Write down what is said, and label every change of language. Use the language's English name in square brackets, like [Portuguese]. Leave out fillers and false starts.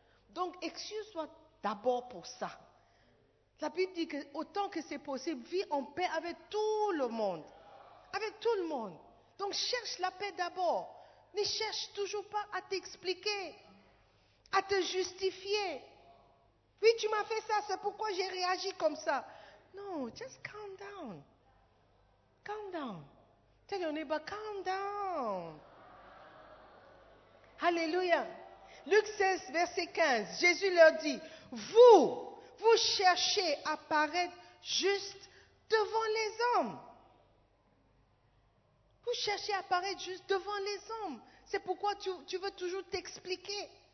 [French] Donc, excuse-toi d'abord pour ça. La Bible dit que autant que c'est possible, vis en paix avec tout le monde. Avec tout le monde. Donc, cherche la paix d'abord. Ne cherche toujours pas à t'expliquer, à te justifier. Oui, tu m'as fait ça, c'est pourquoi j'ai réagi comme ça. [English] Non, just calm down. Calm down. Tell your neighbor, calm down. [French] Alléluia. Luc 16, verset 15, Jésus leur dit, vous cherchez à paraître juste devant les hommes. Vous cherchez à paraître juste devant les hommes. C'est pourquoi tu veux toujours t'expliquer.